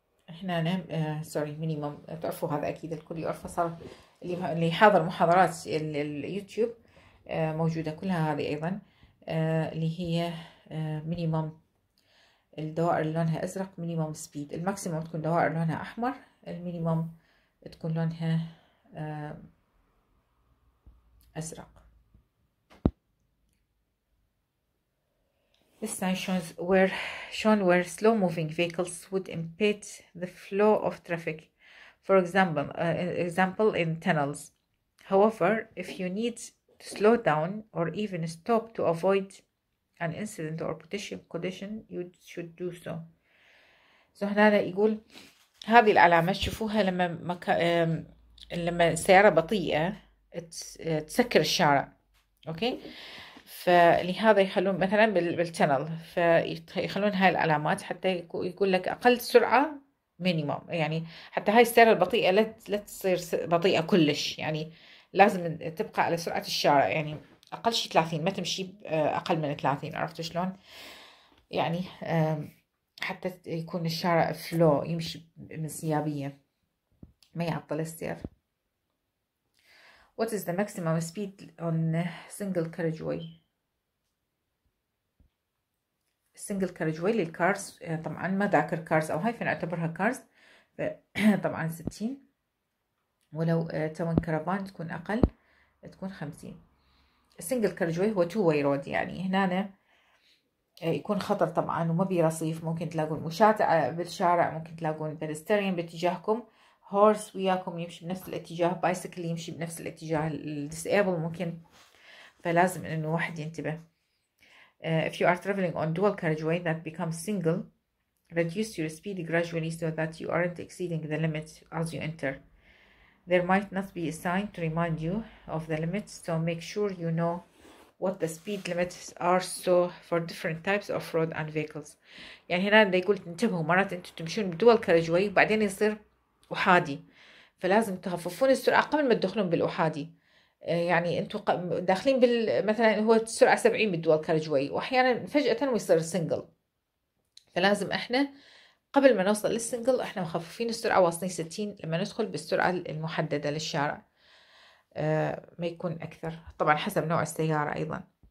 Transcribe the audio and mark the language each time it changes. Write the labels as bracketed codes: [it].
[ar] احنا نعم سوري مينيموم، تعرفوا هذا اكيد الكل يعرفه، صار اللي حاضر محاضرات اليوتيوب موجوده كلها هذه ايضا، اللي هي مينيموم الدوائر اللي لونها ازرق، مينيموم سبيد الماكسيموم تكون دوائر لونها احمر، المينيموم تكون لونها ازرق. [en] This sign shows where slow moving vehicles would impede the flow of traffic. For example in tunnels. However, if you need to slow down or even stop to avoid an incident or potential collision, you should do so. [ar] So هنا يقول هذه العلامة شوفوها لما لما السيارة بطيئة تسكر الشارع. [en] Okay. [ar] فلهذا يخلون مثلا بالتنل، فيخلون هاي العلامات حتى يقول لك اقل سرعه مينيموم، يعني حتى هاي السياره البطيئه لا تصير بطيئه كلش، يعني لازم تبقى على سرعه الشارع، يعني اقل شيء 30، ما تمشي اقل من 30، عرفت شلون؟ يعني حتى يكون الشارع فلو يمشي بانسيابيه ما يعطل السير. [en] What is the maximum speed on single carriageway؟ [ar] سنجل كارج واي للكارز، طبعا ما ذاكر كارز او هاي فنعتبرها كارز، طبعا 60، ولو تون كرفان تكون اقل تكون 50. السنجل كارج واي هو تو واي رود، يعني هنا يكون خطر طبعا وما بي رصيف، ممكن تلاقون مشاة بالشارع، ممكن تلاقون بيدستريان باتجاهكم، هورس وياكم يمشي بنفس الاتجاه، بايسكل يمشي بنفس الاتجاه، الديسابل ممكن، فلازم انه واحد ينتبه. [en] If you are traveling on dual carriageway that becomes single, reduce your speed gradually so that you aren't exceeding the limit as you enter. There might not be a sign to remind you of the limits, so make sure you know what the speed limits are, so for different types of road and vehicles. [ar] يعني هنا اللي يقول انتبهوا، مرات انتم تمشون بدول كارجواي وبعدين يصير احادي، فلازم تخففون السرعه قبل ما تدخلون بالاحادي. يعني انتم داخلين بال مثلا هو السرعه 70 بالدول كارجواي، واحيانا فجاه ويصير سنجل، فلازم احنا قبل ما نوصل للسنجل احنا مخففين السرعه واصلين 60 لما ندخل بالسرعه المحدده للشارع، ما يكون أكثر طبعا حسب نوع السيارة أيضا.